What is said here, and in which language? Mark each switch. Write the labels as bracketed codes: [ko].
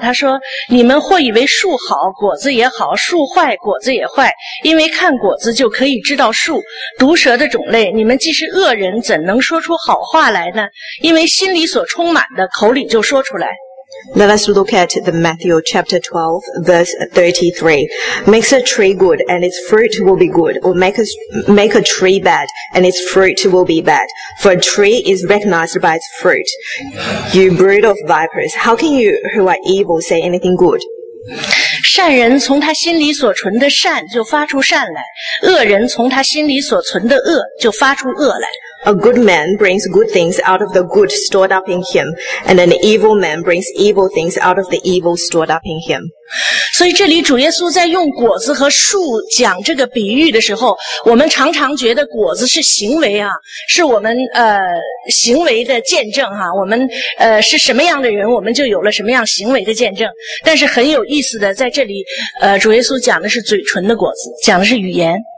[zh] 他说：“你们或以为树好，果子也好；树坏，果子也坏。因为看果子就可以知道树。毒蛇的种类，你们既是恶人，怎能说出好话来呢？因为心里所充满的，口里就说出来。” [en] Let us look at the Matthew chapter 12, verse 33. Makes a tree good, and its fruit will be good, or make a tree bad, and its fruit will be bad. For a tree is recognized by its fruit. You brood of vipers, how can you who are evil say anything good? [zh] 善人从他心里所存的善就发出善来，恶人从他心里所存的恶就发出恶来。 [en] A good man brings good things out of the good stored up in him, and an evil man brings evil things out of the evil stored up in him. [zh] 所以这里主耶稣在用果子和树讲这个比喻的时候，我们常常觉得果子是行为啊，是我们行为的见证啊，我们是什么样的人，我们就有了什么样行为的见证。但是很有意思的，在这里主耶稣讲的是嘴唇的果子，讲的是语言。